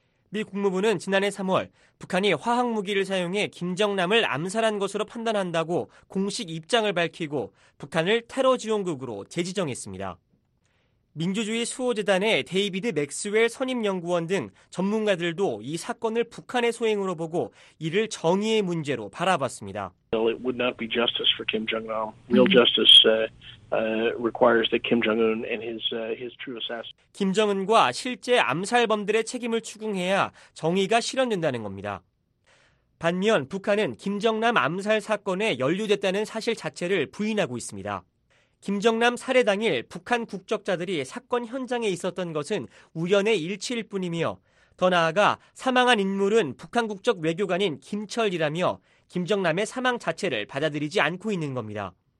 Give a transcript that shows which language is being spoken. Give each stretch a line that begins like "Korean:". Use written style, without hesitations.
Korean: 미 국무부는 지난해 3월 북한이 화학무기를 사용해 김정남을 암살한 것으로 판단한다고 공식 입장을 밝히고 북한을 테러 지원국으로 재지정했습니다. 민주주의 수호재단의 데이비드 맥스웰 선임연구원 등 전문가들도 이 사건을 북한의 소행으로 보고 이를 정의의 문제로 바라봤습니다.
English: Well, it would not be justice for Kim Jong-un. Real justice requires that Kim Jong-un and his true assassin.
Korean: 김정은과 실제 암살범들의 책임을 추궁해야 정의가 실현된다는 겁니다. 반면 북한은 김정남 암살 사건에 연루됐다는 사실 자체를 부인하고 있습니다. 김정남 살해 당일 북한 국적자들이 사건 현장에 있었던 것은 우연의 일치일 뿐이며 더 나아가 사망한 인물은 북한 국적 외교관인 김철이라며 김정남의 사망 자체를 받아들이지 않고 있는 겁니다.